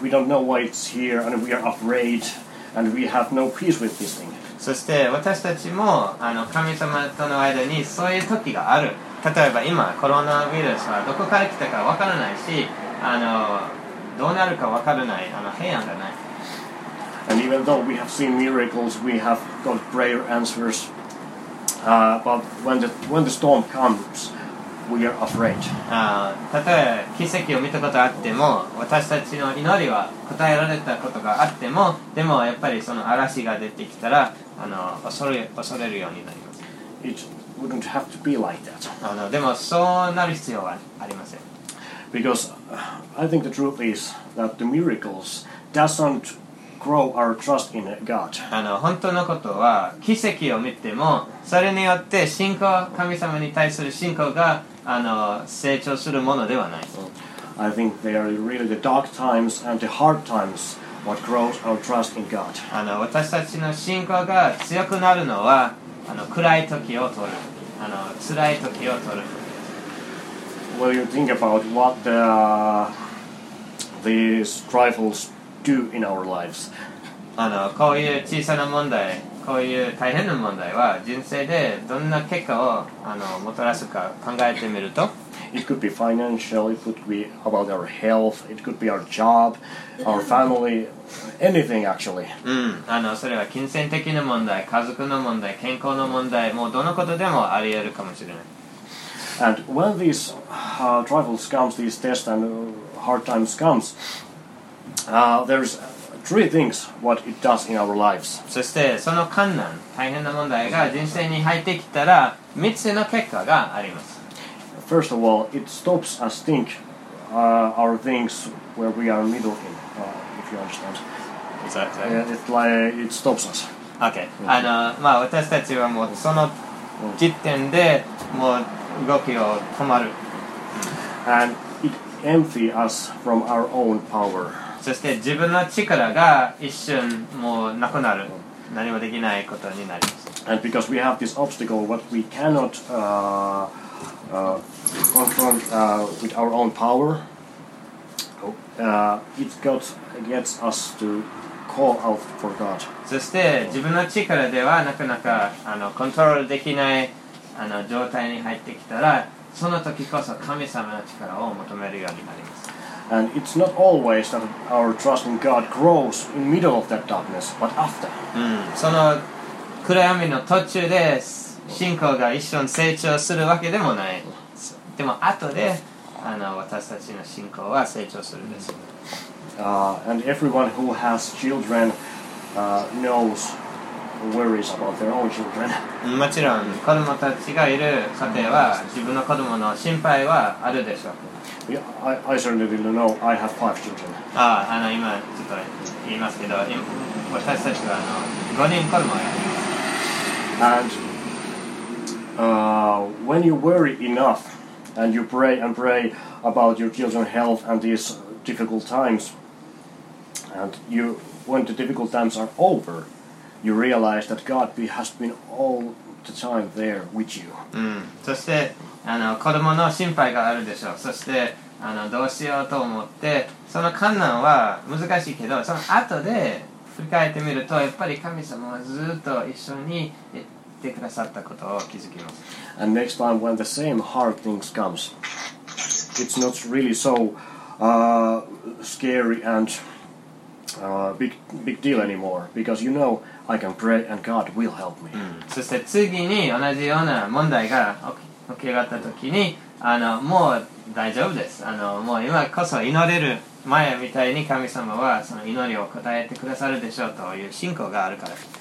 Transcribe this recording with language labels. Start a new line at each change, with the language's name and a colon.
English: We don't know why it's here, and we are afraid, and we have no peace with this thing.
Japanese: そして私たちもあの神様との間にそういう時がある。例えば今コロナウイルスはどこから来たかわからないし、あのどうなるかわからない、あの平安がない。
English: And even though we have seen miracles, we have got prayer answers, but when the storm comes, we are afraid.
Japanese: 例えば奇跡を見たことあっても、私たちの祈りは答えられたことがあっても、でもやっぱりその嵐が出てきたら。あの恐れるようになります。
English: It wouldn't have to be like that.
Japanese: でもそうなる必要はありません。
English: Because I think the truth is that the miracles doesn't grow our trust in God.
Japanese: 本当のことは奇跡を見てもそれによって信仰、神様に対する信仰が成長するものではない。
English: I think they are really the dark times and the hard times what grows our trust in God.
Japanese: 私たちの信仰が強くなるのは暗い時を通る、辛い時を通る。
English: Will you think about what the, these trifles do in our lives?
Japanese: こういう小さな問題、こういう大変な問題は人生でどんな結果をもたらすか考えてみると。
English: It could be financial, it could be about our health, it could be our job, our family, anything actually.
Japanese: それは金銭的な問題、家族の問題、健康の問題、もうどのことでもあり得るかもしれない。
English: And when these trifles come, these tests and hard times come, there's three things what it does in our lives.
Japanese: そしてその困難、大変な問題が人生に入ってきたら、三つの結果があります。
English: First of all, it stops us think our things where we are middle in, if you understand. Exactly. It stops us. Okay. Mm-hmm.
Japanese: 私たちはもうその時点でもう動きを止まる。
English: And it empties us from our own power.
Japanese: そして自分の力が一瞬もうなくなる。何もできないことになります。
English: And because we have this obstacle, what we cannot confront with our own power, it gets us to call out for God.
Japanese: そして自分の力ではなかなかコントロールできない状態に入ってきたら、その時こそ神様の力を求めるようになります。
English: And it's not always that our trust in God grows in the middle of that darkness, but after.
Japanese: その暗闇の途中で信仰が一瞬成長するわけでもない。でも後で私たちの信仰は成長するんです。
English: And everyone who has children knows worries about their own children.
Japanese: もちろん子供たちがいる家庭は自分の子供の心配はあるでしょう。
English: I certainly didn't know I have five children.
Japanese: 今ちょっと言いますけど、私たちは5人子供がいます。
English: AndWhen you worry enough and you pray and pray about your children's health and these difficult times, and you, when the difficult times are over, you realize that God has been all the time there with you.
Japanese: そして子供の心配があるでしょう。そしてどうしようと思って、その困難は難しいけど、その後で振り返ってみると、やっぱり神様はずっと一緒にくださったことを気づきます。
English: And next time when the same hard things comes, it's not really so scary and big deal anymore, because you know I can pray and God will help me.
Japanese: そして次に同じような問題が起き上がったときに、もう大丈夫です。もう今こそ祈れる前みたいに、神様はその祈りを答えてくださるでしょうという信仰があるから。